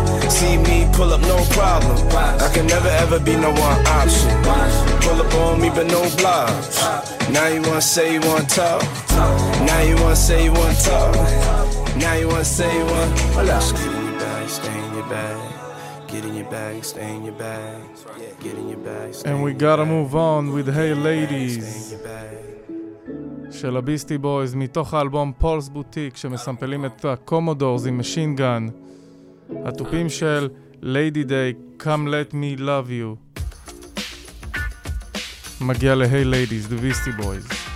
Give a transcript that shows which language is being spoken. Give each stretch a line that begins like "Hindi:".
English: See me pull up, no problem. I can never ever be no one option. Pull up on me, but no blobs. Now you wanna say you wanna talk. Now you wanna say you wanna talk. Now you wanna say you wanna talk. Get in your bag, stay in your bag. Get in your bag, stay in your bag. Get in your bag. And we gotta move on with
Hebrew: Hey Ladies של הביסטי בויז, מתוך האלבום פולס בוטיק, שמסמפלים את הקומודורס עם משין גן. התופים של Lady Day, Come Let Me Love You, מגיע ל-Hey Ladies, the Beastie Boys.